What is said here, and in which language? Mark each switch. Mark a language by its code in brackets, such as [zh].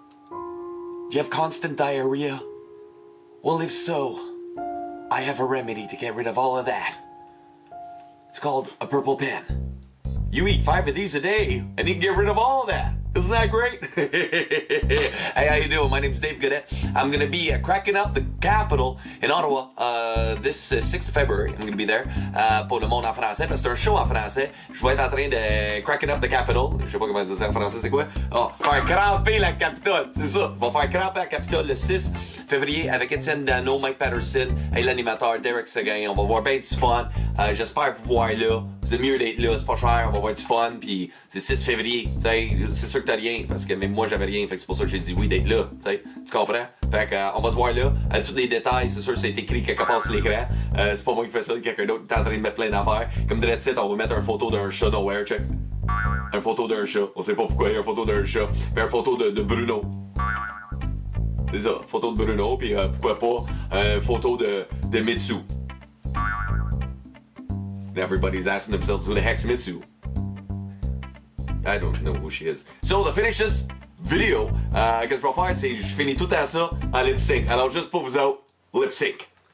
[en] Do you have constant diarrhea? Well, if so, I have a remedy to get rid of all of that. It's called a purple pen. You eat 5 of these a day, and you can get rid of all of that. Isn't that great? Hey, how you doing? My name's Dave Goodet. I'm going to be cracking up the capital in Ottawa this 6th of February. I'm going to be there [fr] pour le monde en français, parce que c'est un show en français. Je vais être en train de [en] cracking up the capital. [fr] Je sais pas comment ça se dit en français, c'est quoi? Oh, faire cramper la capitale, c'est ça. Va faire cramper la capitale le 6 février avec Étienne Dano, Mike Patterson et l'animateur Derek Seguin. On va voir bien du fun. J'espère vous voir là. C'est mieux d'être là, c'est pas cher, on va avoir du fun, pis c'est 6 février, t'sais, c'est sûr que t'as rien, parce que même moi j'avais rien, fait que c'est pour ça que j'ai dit oui d'être là, t'sais, tu comprends? Fait que on va se voir là, à tous les détails, c'est sûr que c'est écrit quelque part sur l'écran, c'est pas moi qui fais ça, quelqu'un d'autre est en train de mettre plein d'affaires, comme dirait Tite, on va mettre une photo d'un chat nowhere, check, une photo d'un chat, on sait pas pourquoi, il y a une photo d'un chat, pis une photo de Bruno, c'est ça, photo de Bruno, pis pourquoi pas, photo de Mitsu. [en] And everybody's asking themselves, who the heck's Mitsu? I don't know who she is. So, to finish this video, I guess what I'll do is I'll finish all that lip sync. So, just for you, lip sync.